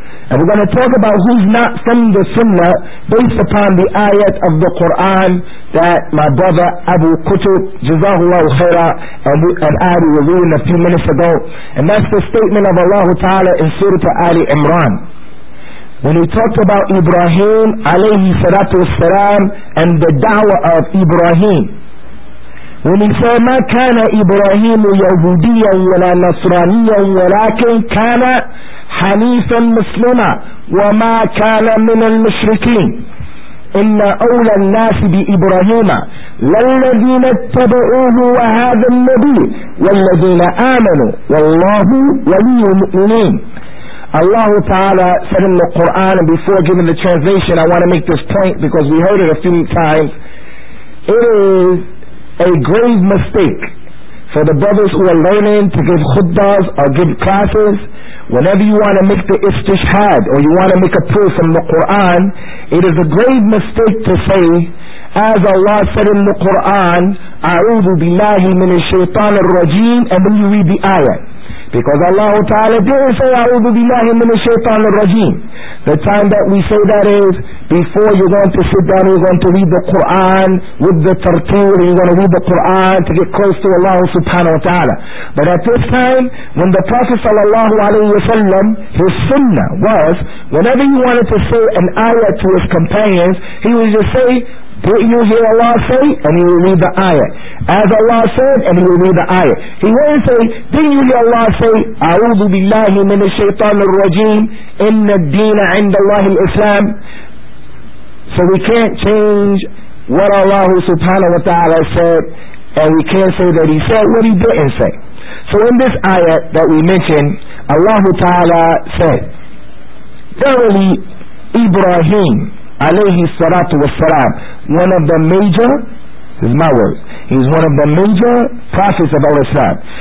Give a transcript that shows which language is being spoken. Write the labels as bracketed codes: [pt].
[en] And we're going to talk about who's not from the Sunnah based upon the ayat of the Quran that my brother Abu Qutb, Jazahullahu Khairah, and Ali were reading a few minutes ago. And that's the statement of Allah Ta'ala in Surah Ali Imran, when he talked about Ibrahim alayhi salatu wassalam and the da'wah of Ibrahim. When he said, [ar] ما كان إبراهيم يهوديا ولا نصرانيا ولكن كان حنيفا مسلما وما كان من المشركين. إن أولى الناس بإبراهيم للذين اتبعوه وهذا النبي والذين آمنوا والله ولي المؤمنين. [en] Allah Ta'ala said in the Quran, and before giving the translation, I want to make this point because we heard it a few times. It is a grave mistake for the brothers who are learning to give khutbahs or give classes. Whenever you want to make the istishhad or you want to make a proof from the Quran, it is a grave mistake to say, as Allah said in the Quran, [ar] أَعُوذُ بِاللَّهِ مِنَ الشَّيْطَانِ الرَّجِيمِ, [en] and then you read the ayah. Because Allah Ta'ala didn't say, [ar] أَعُوذُ بِاللَّهِ مِنَ الشَّيْطَانِ الرَّجِيمِ. [en] The time that we say that is before you're going to sit down, you're going to read the Quran with the tartil, and you're going to read the Quran to get close to Allah Subhanahu wa Ta'ala. But at this time, when the Prophet Sallallahu Alaihi Wasallam, his sunnah was, whenever he wanted to say an ayah to his companions, he would just say, didn't you hear Allah say? And he will read the ayah. As Allah said, and he will read the ayah. He won't say, didn't you hear Allah say, [ar] أَعُوذُ بِاللَّهِ مِنَ الشَّيْطَانِ الرَّجِيمِ إِنَّ الدِّينَ عِنْدَ اللَّهِ الْإِسْلَامِ. [en] So we can't change what Allah Subhanahu wa Ta'ala said, and we can't say that he said what he didn't say. So in this ayah that we mentioned, Allah Ta'ala said, verily Ibrahim alayhi salatu wassalam, one of the major, this is my word, he's one of the major prophets of Al-Islam.